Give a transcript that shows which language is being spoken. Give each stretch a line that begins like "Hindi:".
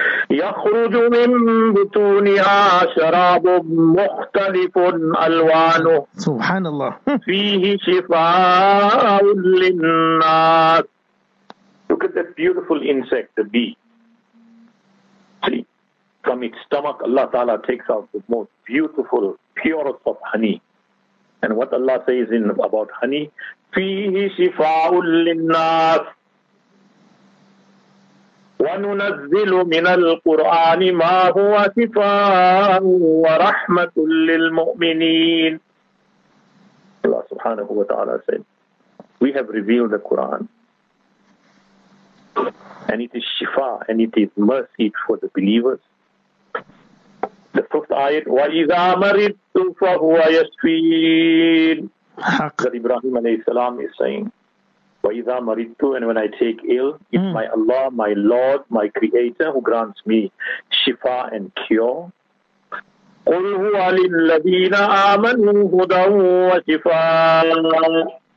Arabic: يَخْرُجُ مِن بُطُونِهَا شَرَابٌ مُخْتَلِفٌ أَلْوَانُهُ. سبحان الله. فِيهِ شِفَاءٌ لِلنَّاسِ.
English: Look at that beautiful insect, the bee. See, from its stomach, Allah Ta'ala takes out the most beautiful, purest of honey. And what Allah says in about honey,
Arabic: فِيهِ شِفَاءٌ لِلنَّاسِ وَنُنَزِّلُ مِنَ الْقُرْآنِ مَا هُوَ شِفَاءٌ وَرَحْمَةٌ لِلْمُؤْمِنِينَ.
English: Allah Subhanahu wa Ta'ala said, we have revealed the Quran, and it is shifa, and it is mercy for the believers. The 5th ayat,
Arabic: وَإِذَا مَرِضْتُ فَهُوَ يَشْفِينَ.
English: That Ibrahim alayhi salam is saying,
Arabic: وَإِذَا مَرِضْتُ,
English: and when I take ill, it's my Allah, my Lord, my Creator, who grants me shifa and cure.
Arabic: قُلْ هُوَ لِلَّذِينَ آمَنُوا هُدًى وَشِفَاءٌ.